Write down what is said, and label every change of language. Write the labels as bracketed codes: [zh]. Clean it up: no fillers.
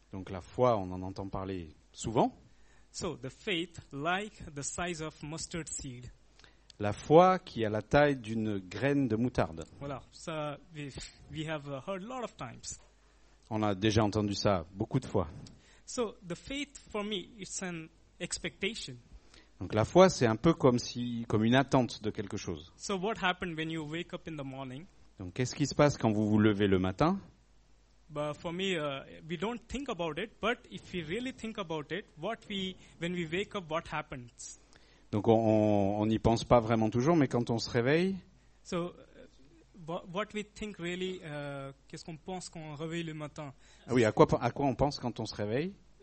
[fr] Donc la foi, on en entend parler souvent. [en] So the faith like the size of mustard seed. [fr] La foi qui a la taille d'une graine de moutarde. Voilà, ça, [en] we have heard a lot of times. [fr] On a déjà entendu ça beaucoup de fois. [en] So the faith for me it's an expectation. [fr] Donc la foi c'est un peu comme une attente de quelque chose. [en] So what happened when you wake up in the morning? [fr] Donc qu'est-ce qui se passe quand vous vous levez le matin? [en] But for me, we don't think about it. But if we really think about it, when we wake up, what happens? [fr] Donc on n'y pense pas vraiment toujours, mais quand on se réveille. [en] So, what we think really? [fr] Qu'est-ce qu'on pense quand on réveille le matin? Ah oui, à quoi on pense quand on se réveille?